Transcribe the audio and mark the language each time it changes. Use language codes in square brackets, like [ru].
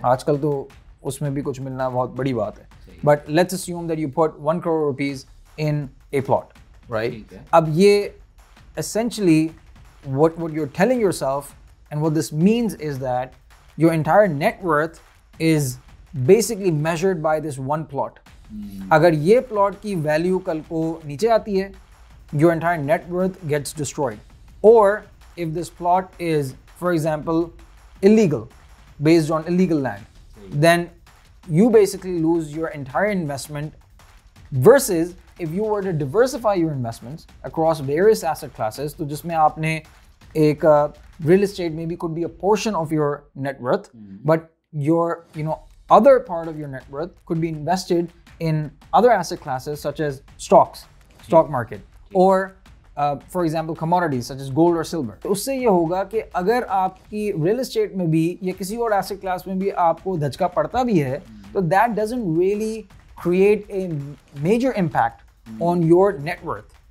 [ur] آج کل تو اس میں بھی کچھ ملنا بہت بڑی بات ہے، [en] But let's assume that you put 1 crore rupees in a plot, right? [ur] اب یہ [en] Essentially what you are telling yourself and what this means is that your entire net worth is basically measured by this one plot. [ur] اگر یہ plot کی value کل کو نیچے آتی ہے، [en] Your entire net worth gets destroyed. اور if this plot is for example illegal, based on illegal land, then you basically lose your entire investment. Versus if you were to diversify your investments across various asset classes, [ur] to jisme aapne ek [en] real estate maybe could be a portion of your net worth, but your you know other part of your net worth could be invested in other asset classes such as stocks, stock market, or for example commodities such as gold اور silver. [ur] تو اس سے یہ ہوگا کہ اگر آپ کی real estate میں بھی یا کسی اور ایسٹ کلاس میں بھی آپ کو دھچکا پڑتا بھی ہے، تو [en] That doesn't really create a major impact on your net worth.